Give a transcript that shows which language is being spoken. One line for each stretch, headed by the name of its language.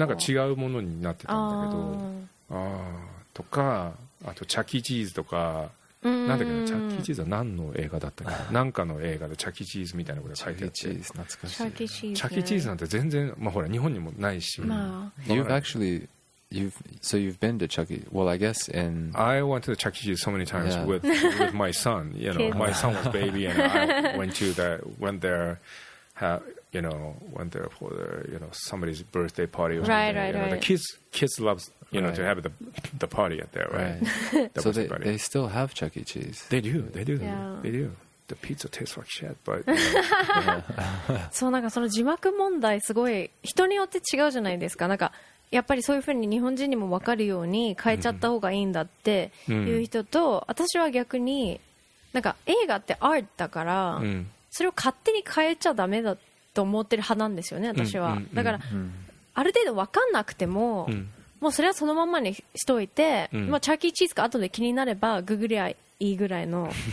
Japanese: なんか違うものになってたんだけど、ああとかあとチャキチーズとかなんだけど、チャッキーチーズは何の映画だったか、なんかの映画でチャッキーチーズみたいなことが書いてあって、チャッキーチーズ懐かしい、チャッキーチーズなんて全然、まあほら日本にもないし、ま
English: あ、You've actually you've, so you've been to Chucky. Well, I guess in I went to the Chuck E. Cheese so many times yeah. with my son. You know, my son was baby, and I went to that went there. You know, went there for the, you know, somebody's birthday party. Or right, something, right, you know, right. The kids loves you know right. to have the party at there, right? right. The so they still have Chuck E. Cheese. They do. Yeah. They do. The pizza tastes like shit, but. You know.
Japanese: そうなんかその字幕問題すごい人によって違うじゃないですか。なんか。やっぱりそういうふうに日本人にも分かるように変えちゃった方がいいんだっていう人と、うん、私は逆になんか映画ってアートだから、うん、それを勝手に変えちゃダメだと思ってる派なんですよね私は、うん、だから、うん、ある程度分かんなくても、うん、もうそれはそのままにしといて、うん、チャーキーチーズか後で気になればググりゃいいぐらいの